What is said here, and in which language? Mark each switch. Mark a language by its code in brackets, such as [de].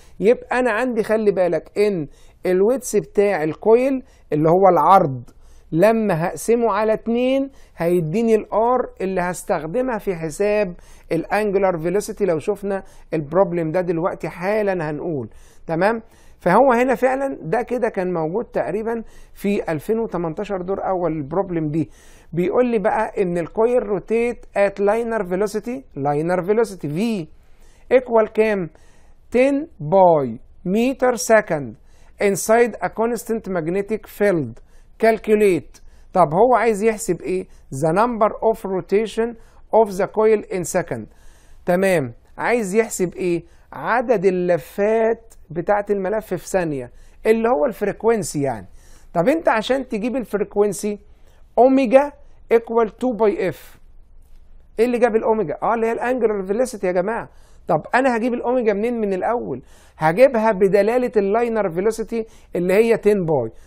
[ar] يبقى أنا عندي خلي بالك إن الويتس بتاع الكويل اللي هو العرض لما هقسمه على 2 هيديني الار اللي هستخدمها في حساب الانجلر فيلوسيتي لو شفنا البروبلم ده دلوقتي حالا هنقول، تمام؟ فهو هنا فعلا ده كده كان موجود تقريبا في 2018 دور اول البروبلم دي. بيقول لي بقى ان [en] الكويل rotate at linear velocity, linear velocity في equal كام؟ 10 by metre second inside a constant magnetic field. Calculate. [ar] طب هو عايز يحسب ايه؟ [en] The number of rotation of the coil in second. [ar] تمام. عايز يحسب ايه؟ عدد اللفات بتاعت الملف في ثانية. اللي هو الفريكوينسي يعني. طب انت عشان تجيب الفريكوينسي اوميجا equal 2 by f. ايه اللي جاب الاوميجا؟ اللي هي الانجلر فيلوسيتي يا جماعة. طب انا هجيب الاوميجا منين من الاول؟ هجيبها بدلالة اللاينر فيلوسيتي اللي هي 10 باي.